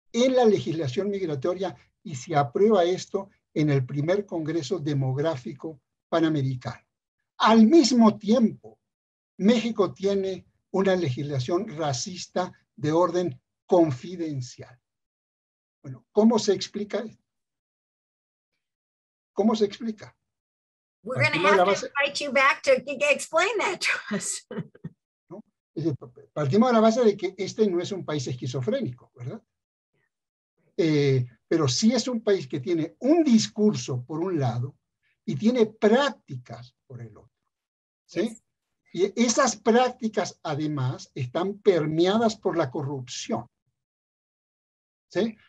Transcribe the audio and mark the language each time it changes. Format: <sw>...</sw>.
<es>en la legislación migratoria y se aprueba esto en el primer Congreso Demográfico Panamericano. Al mismo tiempo, México tiene una legislación racista de orden confidencial. Bueno, ¿cómo se explica esto? ¿Cómo se explica?</es> <en>We're going to have to invite you back to explain that to us.</en> <es>¿No? Es decir, partimos de la base de que este no es un país esquizofrénico, ¿verdad? Pero sí es un país que tiene un discurso por un lado y tiene prácticas por el otro. ¿Sí? Y esas prácticas, además, están permeadas por la corrupción. ¿Sí?</es>